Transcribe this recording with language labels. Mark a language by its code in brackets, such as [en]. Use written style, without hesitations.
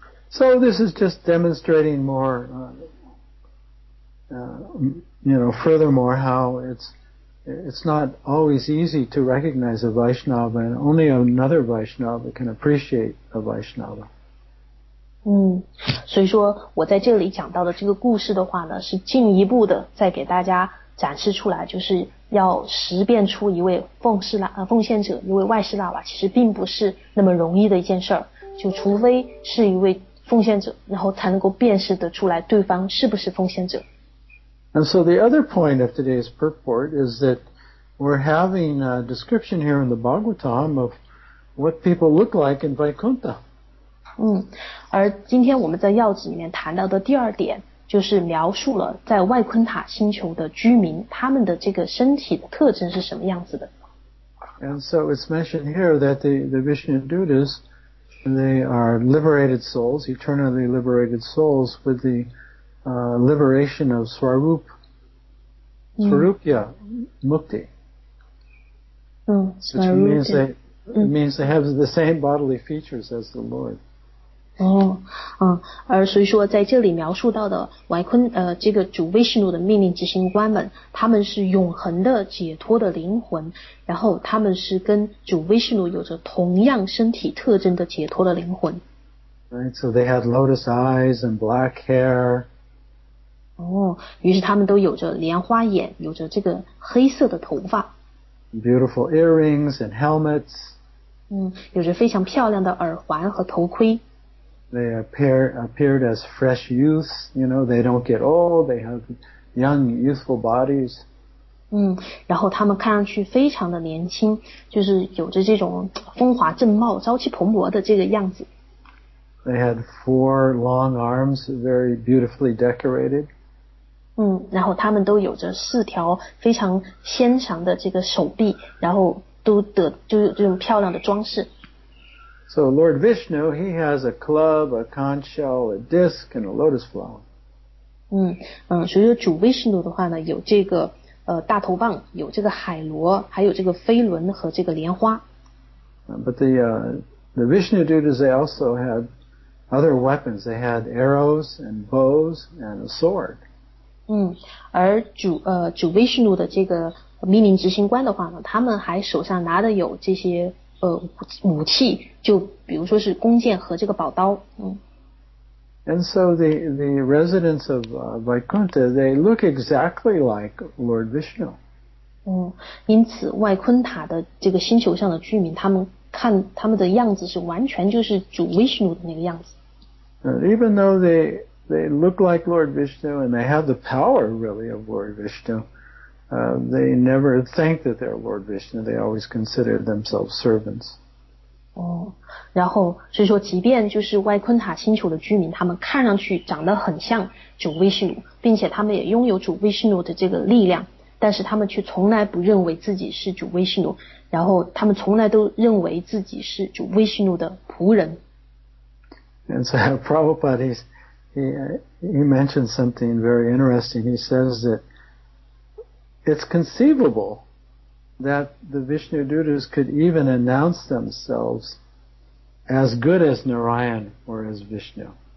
[en] So this is just demonstrating more, you know, furthermore how it's not always easy to recognize a Vaishnava, and only another Vaishnava can appreciate a Vaishnava. [zh] 所以说我在这里讲到的这个故事的话呢，是进一步的再给大家展示出来，就是要识辨出一位奉献者，一位Vaishnava，其实并不是那么容易的一件事儿。就除非是一位奉献者，然后才能够辨识得出来对方是不是奉献者。 [en] And so the other point of today's purport is that we're having a description here in the Bhagavatam of what people look like in Vaikuntha. [zh] 而今天我们在要旨里面谈到的第二点，就是描述了在外昆塔星球的居民，他们的这个身体的特征是什么样子的。 [en] And so it's mentioned here that the Vishnudutas, they are liberated souls, eternally liberated souls with theliberation of Swarupya Mukti. Swarupya. It means they have the same bodily features as the Lord. [zh] 哦，嗯，而所以说在这里描述到的维昆，这个主维士努的命令执行官们，他们是永恒的解脱的灵魂，然后他们是跟主维士努有着同样身体特征的解脱的灵魂。 [en] Right, so they had lotus eyes and black hair. [zh] 哦，于是他们都有着莲花眼，有着这个黑色的头发。 [en] Beautiful earrings and helmets. [zh] 嗯，有着非常漂亮的耳环和头盔。 [en] They appeared as fresh youths, you know, they don't get old, they have young, youthful bodies. [zh] 嗯，然后他们看上去非常的年轻，就是有着这种风华正茂、朝气蓬勃的这个样子。 [en] They had four long arms, very beautifully decorated. [zh] 嗯，然后他们都有着四条非常纤长的这个手臂，然后都得就有这种漂亮的装饰。 [en] So Lord Vishnu, he has a club, a conch shell, a disc, and a lotus flower. [zh] 嗯，所以说主维士努的话呢，有这个大头棒，有这个海螺，还有这个飞轮和这个莲花。 [en] But the Vishnu deities, they also had other weapons. They had arrows and bows and a sword. [zh] 嗯，而主维士努的这个命令执行官的话呢，他们还手上拿的有这些。武器就比如说是弓箭和这个宝刀、嗯、 [en] And so the residents of Vaikuntha they look exactly like Lord Vishnu、 [zh] 嗯、因此外昆塔的这个星球上的居民他们看他们的样子是完全就是主 Vishnu 的那个样子、 [en] Even though they look like Lord Vishnu and they have the power really of Lord Vishnu they never think that they're Lord Vishnu. They always consider themselves servants. [zh] 哦，然后所以说，即便就是外昆塔星球的居民，他们看上去长得很像主维士努，并且他们也拥有主维士努的这个力量，但是他们却从来不认为自己是主维士努，然后他们从来都认为自己是主维士努的仆人。 [en] And so Prabhupada, he mentioned something very interesting. He says that. It's conceivable that the Vishnu Dutas could even announce themselves as good as Narayan or as Vishnu.